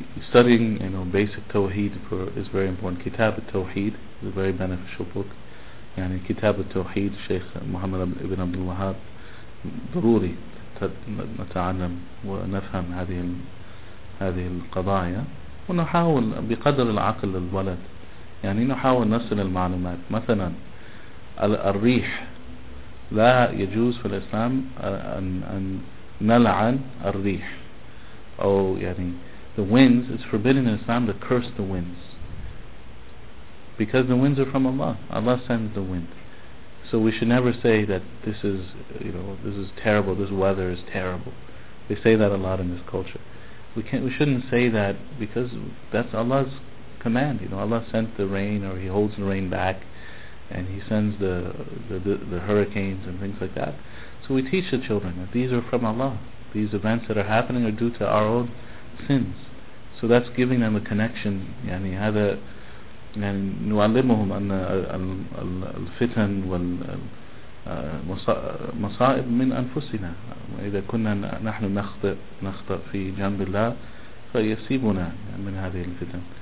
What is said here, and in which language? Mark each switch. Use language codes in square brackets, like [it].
[en] studying, you know, basic tawheed is very important. Kitab al-Tawheed is a very beneficial book. And in Kitab al-Tawheed, Shaykh Muhammad ibn Abdul Wahhab, [ar] ضروري نتعلم ونفهم هذه القضايا ونحاول بقدر العقل الولد يعني نحاول نصل المعلومات. مثلا الريح لا يجوز في الإسلام أن نلعن الريح أو يعني [en] the winds is forbidden in Islam to curse the winds because the winds are from Allah. Allah sends the wind. So we should never say that this is, you know, this is terrible, this weather is terrible. They say that a lot in this culture. We shouldn't say that because that's Allah's command. You know, Allah sent the rain or He holds the rain back and He sends the hurricanes and things like that. So we teach the children that these are from Allah. These events that are happening are due to our own sins. So that's giving them a connection. [ar] يعني هذا يعني نعلمهم أن الفتن والمصائب من أنفسنا إذا كنا نحن نخطئ في جنب الله فيصيبنا من هذه الفتن.